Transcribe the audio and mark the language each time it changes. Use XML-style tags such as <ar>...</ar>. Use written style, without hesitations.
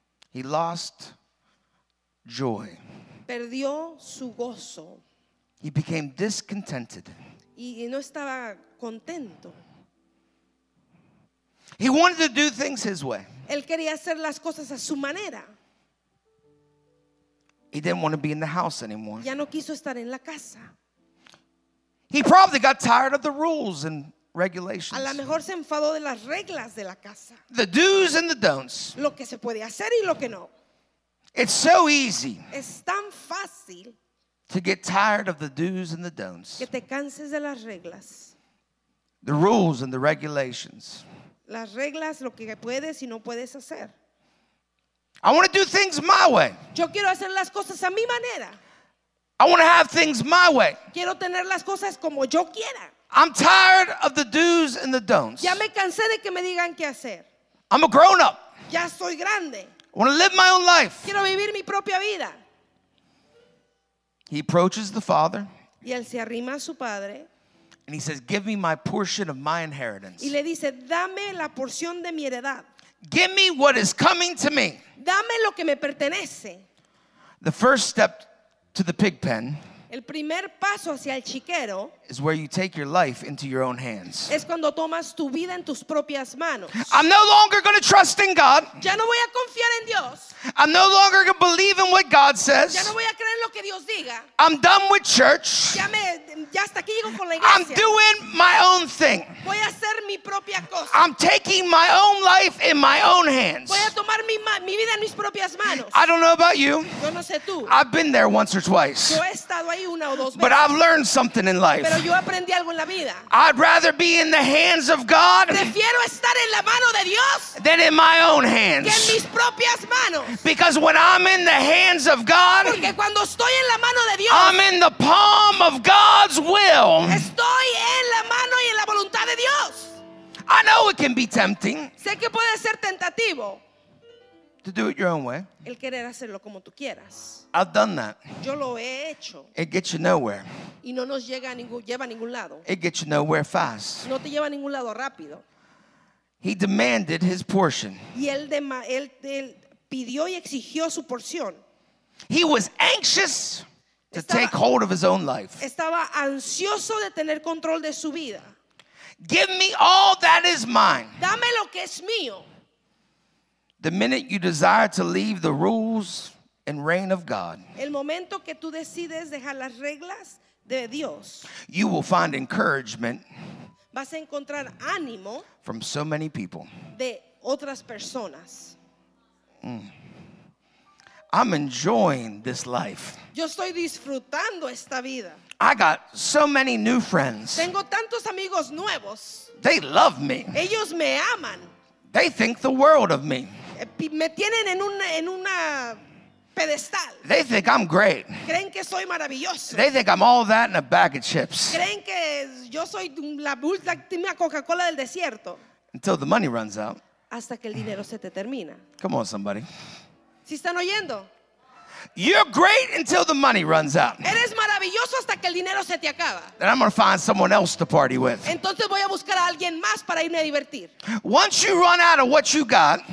<en>He lost joy.</en> <es>Perdió su gozo.</es> <en>He became discontented.</en> <es>Y no estaba contento.</es> <en>He wanted to do things his way.</en> <es>Él quería hacer las cosas a su manera.</es> <en>He didn't want to be in the house anymore.</en> <es>Ya no quiso estar en la casa.</es> <en>He probably got tired of the rules and regulations.</en> <es>A lo mejor se enfadó de las reglas de la casa.</es> <en>The do's and the don'ts.</en> <es>Lo que se puede hacer y lo que no.</es> <en>It's so easy.</en> <es>Es tan fácil.</es> <en>To get tired of the do's and the don'ts.</en> <es>Que te canses de las reglas.</es> <en>The rules and the regulations.</en> <es>Las reglas, lo que puedes y no puedes hacer.</es> <en>I want to do things my way.</en> <es>Yo quiero hacer las cosas a mi manera.</es> <en>I want to have things my way.</en> <es>Quiero tener las cosas como yo quiera.</es> <en>I'm tired of the do's and the don'ts.</en> <es>Ya me cansé de que me digan qué hacer.</es> <en>I'm a grown up.</en> <es>Ya soy grande.</es> <en>I want to live my own life.</en> <es>Quiero vivir mi propia vida.</es> <en>He approaches the father.</en> <es>Y él se arrima a su padre.</es> <en>And he says, "Give me my portion of my inheritance."</en> <es>Y le dice, "Dame la porción de mi heredad."</es> <en>Give me what is coming to me.</en> <es>Dame lo que me pertenece.</es> <en>The first step to the pig pen.</en> <es>El primer paso hacia el chiquero</es> <en>is where you take your life into your own hands.</en> <es>Es cuando tomas tu vida en tus propias manos.</es> <en>I'm no longer going to trust in God.</en> <es>Ya no voy a confiar en Dios.</es> <en>I'm no longer going to believe in what God says.</en> <es>Ya no voy a creer lo que Dios diga.</es> <en>I'm done with church.</en> <es>Ya hasta aquí llego con la iglesia.</es> <en>I'm doing my own thing.</en> <es>Voy a hacer mi propia cosa.</es> <en>I'm taking my own life in my own hands.</en> <es>Voy a tomar mi vida en mis propias manos.</es> <en>I don't know about you.</en> <es>Yo no sé tú.</es> <en>I've been there once or twice.</en> <es>Yo he estado ahí una o dos veces.</es> <en>But I've learned something in life.</en> <es>Pero yo aprendí algo en la vida.</es> <en>I'd rather be in the hands of God.</en> <es>Prefiero estar en la mano de Dios.</es> <en>Than in my own hands.</en> <es>Que en mis propias manos.</es> <en>Because when I'm in the hands of God.</en> <es>Porque cuando estoy en la mano de Dios.</es> <en>I'm in the palm of God's will.</en> <es>Estoy en la mano y en la voluntad de Dios.</es> <en>I know it can be tempting.</en> <es>Sé que puede ser tentativo.</es> <en>To do it your own way.</en> <es>El querer hacerlo como tú quieras.</es> <en>I've done that.</en> <es>Yo lo he hecho.</es> <en>It gets you nowhere.</en> <es>Y no nos llega a ningún, lleva a ningún lado.</es> <en>It gets you nowhere fast.</en> <es>No te lleva a ningún lado rápido.</es> <en>He demanded his portion.</en> <es>Y él pidió y exigió su porción.</es> <en>He was anxious to take hold of his own life.</en> <es>Estaba ansioso de tener control de su vida.</es> <en>Give me all that is mine.</en> <es>Dame lo que es mío.</es> <en>The minute you desire to leave the rules and reign of God,</en> <es>el momento que tú decides dejar las reglas de Dios,</es> <en>you will find encouragement.</en> <es>Vas a encontrar ánimo</es> <en>from so many people.</en> <es>De otras personas.</es> <en>I'm enjoying this life.</en> <es>Yo estoy disfrutando esta vida.</es> <en>I got so many new friends.</en> <es>Tengo tantos amigos nuevos.</es> <en>They love me.</en> <es>Ellos me aman.</es> <en>They think the world of me.</en> <es>Me tienen en una pedestal.</es> <en>They think I'm great.</en> <es>Creen que soy maravilloso.</es> <en>They think I'm all that and a bag of chips.</en> <es>Creen que yo soy la última Coca-Cola del desierto.</es> <en>Until the money runs out.</en> <es>Hasta que el dinero se te termina.</es> <en>Come on, somebody.</en> <es>¿Sí están oyendo?</es> <en>You're great until the money runs out.</en> <es>Eres maravilloso hasta que el dinero se te acaba.</es> <en>Then I'm going to find someone else to party with.</en> <es>Entonces voy a buscar a alguien más para irme a divertir.</es> <en>Once you run out of what you got,</en>